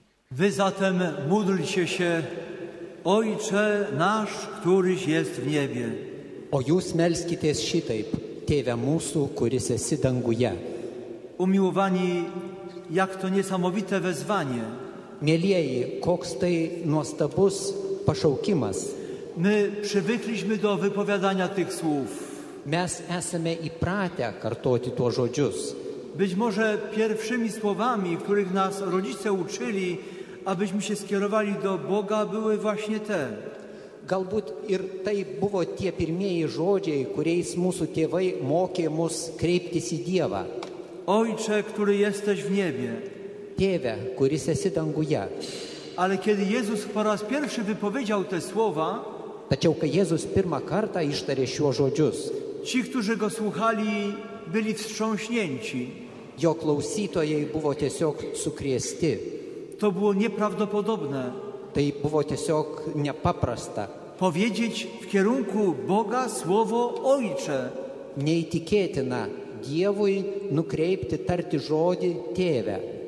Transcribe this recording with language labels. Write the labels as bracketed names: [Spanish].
[Polish] Wy zatem módlcie się, Ojcze nasz, któryś jest w niebie. [Lithuanian] O jūs melskitės šitaip, Tėve mūsų, kuris esi danguje. [Polish] Umiłowani, jak to niesamowite wezwanie. [Lithuanian] Mielieji, koks tai nuostabus pašaukimas. [Polish] My przywykliśmy do wypowiadania tych słów. [Lithuanian] Mes esame įpratę kartoti tuos žodžius. [Polish] Być może pierwszymi słowami, których nas rodzice uczyli, abyśmy się skierowali do Boga, były właśnie te. [Lithuanian] Galbūt ir tai buvo tie pirmieji žodžiai, kuriais mūsų tėvai mokė mus kreiptis į Dievą. [Polish] Ojcze, który jesteś w niebie. [Lithuanian] Tėve, kuris esi danguje. [Polish] Ale kiedy Jezus po raz pierwszy wypowiedział te słowa, [Lithuanian] tačiau kai Jezus pirmą kartą ištarė šiuos žodžius, [Polish] ci, którzy go słuchali, byli wstrząśnięci. [Lithuanian] Jo klausytojai buvo tiesiog sukrėsti. [Polish] To było nieprawdopodobne. [Lithuanian] Tai buvo tiesiog nepaprasta. [Polish] Powiedzieć w kierunku Boga słowo Ojcze. [Lithuanian] Neįtikėtina Dievui nukreipti tarti žodį Tėve.